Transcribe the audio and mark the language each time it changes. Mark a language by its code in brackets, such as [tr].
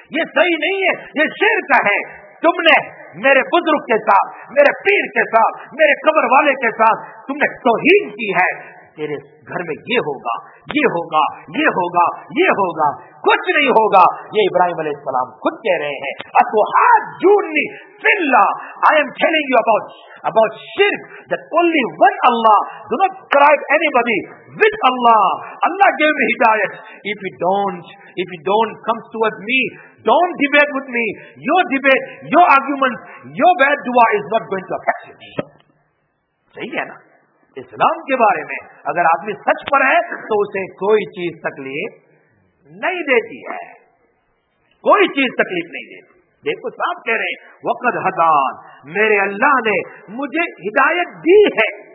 [ur] یہ صحیح نہیں ہے, یہ شرک ہے. تم نے میرے بزرگ کے ساتھ, میرے پیر کے ساتھ, میرے قبر والے کے ساتھ تم نے توہین کی ہے. تیرے گھر میں یہ ہوگا, یہ ہوگا, یہ ہوگا, یہ ہوگا, کچھ نہیں ہوگا. یہ ابراہیم علیہ السلام خود کہہ رہے ہیں [ar] اتحاجونی فی اللہ. [en] I am telling you about shirk, that only one Allah. Do not describe anybody with Allah. Allah gave me hidayat. If you don't come towards me, don't debate with me. Your debate, your argument, your bad dua is not going to affect you. [ur] صحیح ہے نا. اسلام کے بارے میں اگر آدمی سچ پر ہے تو اسے کوئی چیز تکلیف نہیں دیتی ہے, کوئی چیز تکلیف نہیں دیتی. دیکھو صاحب کہہ رہے ہیں [ar] وقد ہدان, [ur] میرے اللہ نے مجھے ہدایت دی ہے.